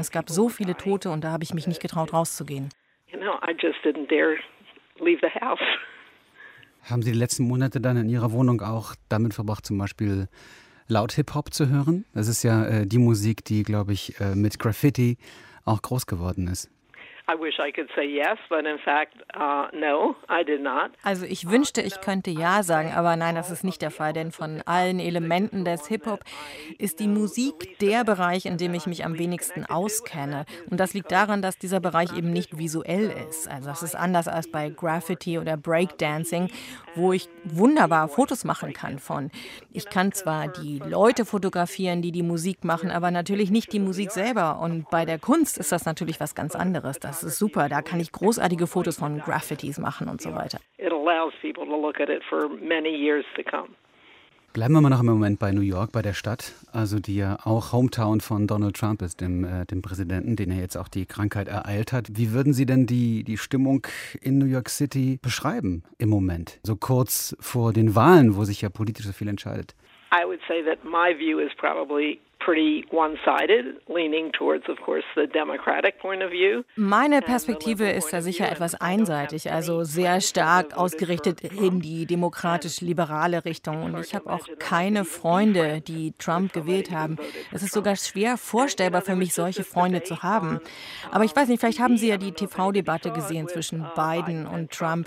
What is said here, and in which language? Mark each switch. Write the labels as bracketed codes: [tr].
[de] Es gab so viele Tote und da habe ich mich nicht getraut, rauszugehen. [en] Leave the house. [de] Haben Sie die letzten Monate dann in Ihrer Wohnung auch damit verbracht, zum Beispiel laut Hip-Hop zu hören? Das ist ja die Musik, die, glaube ich, mit Graffiti auch groß geworden ist. [en] I wish I could say yes, but in fact, no, I did not. [de] Also ich wünschte, ich könnte ja sagen, aber nein, das ist nicht der Fall, denn von allen Elementen des Hip-Hop ist die Musik der Bereich, in dem ich mich am wenigsten auskenne. Und das liegt daran, dass dieser Bereich eben nicht visuell ist. Also das ist anders als bei Graffiti oder Breakdancing, wo ich wunderbar Fotos machen kann von. Ich kann zwar die Leute fotografieren, die die Musik machen, aber natürlich nicht die Musik selber. Und bei der Kunst ist das natürlich was ganz anderes. Das ist super, da kann ich großartige Fotos von Graffitis machen und so weiter. [en] It allows people to look at it for many years to come. [de] Bleiben wir mal noch im Moment bei New York, bei der Stadt, also die ja auch Hometown von Donald Trump ist, dem Präsidenten, den er jetzt auch die Krankheit ereilt hat. Wie würden Sie denn die Stimmung in New York City beschreiben im Moment, so kurz vor den Wahlen, wo sich ja politisch so viel entscheidet? [en] I would say that my view is probably pretty one-sided, leaning towards, of course, the Democratic point of view. [de] Meine Perspektive ist da sicher etwas einseitig, also sehr stark ausgerichtet in die demokratisch-liberale Richtung. Und ich habe auch keine Freunde, die Trump gewählt haben. Es ist sogar schwer vorstellbar für mich, solche Freunde zu haben. Aber ich weiß nicht, vielleicht haben Sie ja die TV-Debatte gesehen zwischen Biden und Trump.